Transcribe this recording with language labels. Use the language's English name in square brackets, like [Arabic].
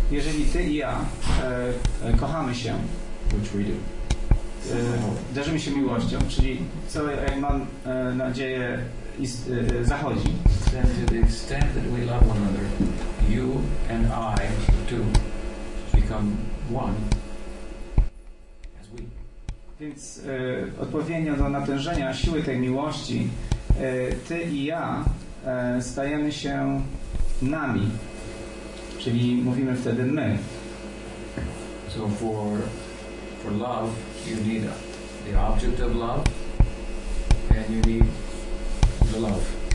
[Polish] Jeżeli ty i ja kochamy się. [English] Which we do. [Polish] Darzymy się miłością, czyli co, jak mam nadzieję, zachodzi. [English] Then to the extent that we love one another, you and I too become one. [Polish] Więc odpowiednio do natężenia siły tej miłości, ty i ja stajemy się nami, czyli mówimy wtedy my. [English] So for love, you need the object of love, and you need the love.